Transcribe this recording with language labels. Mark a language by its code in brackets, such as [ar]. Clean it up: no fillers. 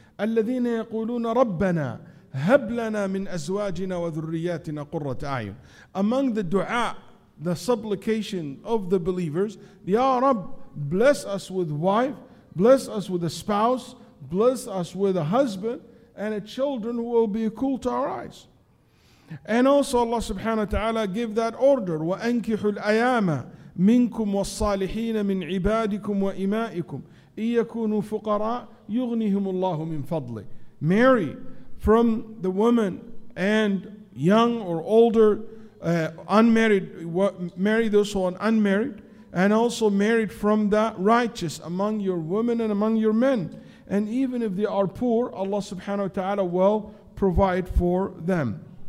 [ar] الَّذِينَ يَقُولُونَ رَبَّنَا هَبْ لَنَا مِنْ أَزْوَاجِنَا وَذُرِّيَّاتِنَا قُرَّةَ أَعْيُنٍ. [en] Among the dua, the supplication of the believers, Ya Rab, bless us with wife, bless us with a spouse, bless us with a husband, and a children who will be cool to our eyes. And also Allah subhanahu wa ta'ala gave that order, [ar] وَأَنْكِحُ الْأَيَامَ مِنْكُمْ وَالصَّالِحِينَ مِنْ عِبَادِكُمْ وَإِمَائِكُمْ إِيَّكُونُوا فُقَرَاءَ يُغْنِهِمُ اللَّهُ مِنْ فَضْلِ. [en] Marry from the woman and young or older, unmarried, marry those who are unmarried, and also married from the righteous among your women and among your men. And even if they are poor, Allah subhanahu wa ta'ala will provide for them.